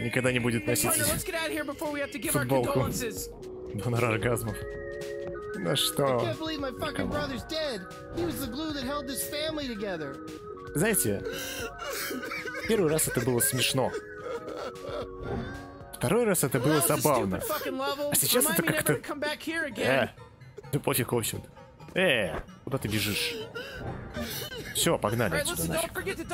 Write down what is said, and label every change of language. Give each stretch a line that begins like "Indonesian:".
Russian: Никогда не будет носить футболку донора оргазмов. Да что?
English: I can't believe my fucking brother's dead. He was the glue that held this family together.
Russian: Знаете, первый раз это было смешно. Второй раз это было забавно. А сейчас это как-то... Да пофиг, в общем-то. Куда ты бежишь? Все, погнали отсюда нафиг.